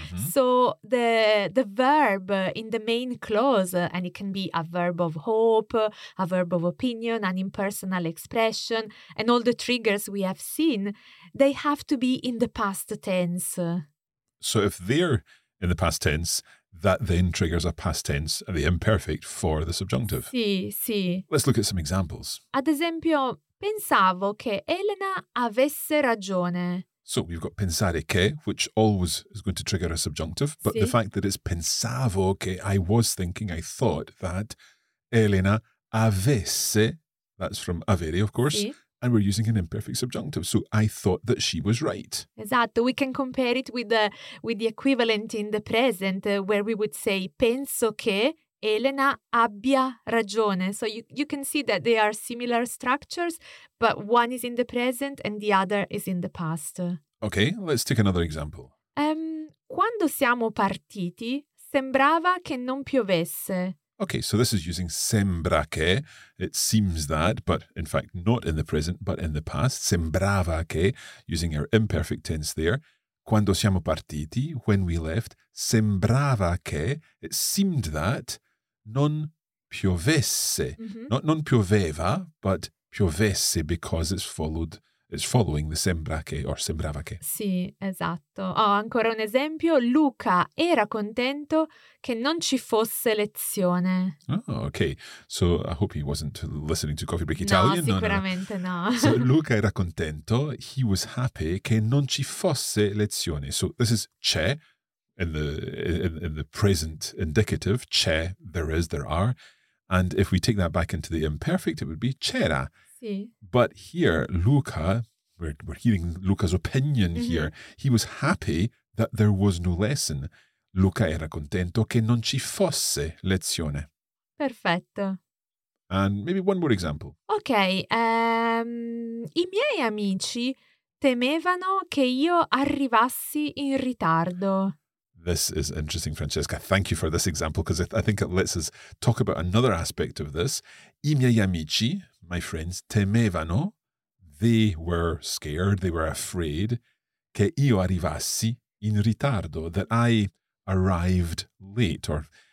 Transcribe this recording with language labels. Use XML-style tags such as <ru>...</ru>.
<en>So the verb in the main clause, and it can be a verb of hope, a verb of opinion, an impersonal expression, and all the triggers we have seen, they have to be in the past tense. So if they're in the past tense, that then triggers a past tense, the imperfect, for the subjunctive. Sì, sì. Let's look at some examples.</en> <it>Ad esempio, pensavo che Elena avesse ragione.</it> <en>So we've got pensare che, which always is going to trigger a subjunctive, but the fact that it's</en> <it>pensavo che,</it> <en>I was thinking, I thought that</en> <it>Elena avesse,</it> <en>that's from avere, of course, and we're using an imperfect subjunctive. So I thought that she was right.</en> <it>Esatto.</it> <en>We can compare it with the equivalent in the present where we would say</en> <it>penso che Elena abbia ragione.</it> <en>So you can see that they are similar structures, but one is in the present and the other is in the past. Okay, let's take another example.</en> <it>Quando siamo partiti, sembrava che non piovesse.</it> <en>Okay, so this is using sembra che. It seems that, but in fact not in the present, but in the past. Sembrava che, using our imperfect tense there.</en> <it>Quando siamo partiti,</it> <en>when we left,</en> <it>sembrava che,</it> <en>it seemed that,</en> <it>non piovesse.</it> <en>Not non pioveva, but piovesse, because it's following the sembra che or sembrava che.</en> <it>Sì, esatto. Oh, ancora un esempio. Luca era contento che non ci fosse lezione.</it> <en>Oh, okay. So I hope he wasn't listening to Coffee Break Italian.</en> <it>No, sicuramente no.</it> <en>So</en> <it>Luca era contento.</it> <en>He was happy</en> <it>che non ci fosse lezione.</it> <en>So this is c'è in the present indicative. C'è, there is, there are. And if we take that back into the imperfect, it would be c'era. But here, Luca, we're hearing Luca's opinion here. He was happy that there was no lesson.</en> <it>Luca era contento che non ci fosse lezione. Perfetto.</it> <en>And maybe one more example. Okay.</en> <it>I miei amici temevano che io arrivassi in ritardo.</it> <en>This is interesting, Francesca. Thank you for this example, because I think it lets us talk about another aspect of this.</en> <it>I miei amici,</it> <en>my friends, temevano, they were scared, they were afraid,</en> <it>che io arrivassi in ritardo,</it> <en>that I arrived late, or</en>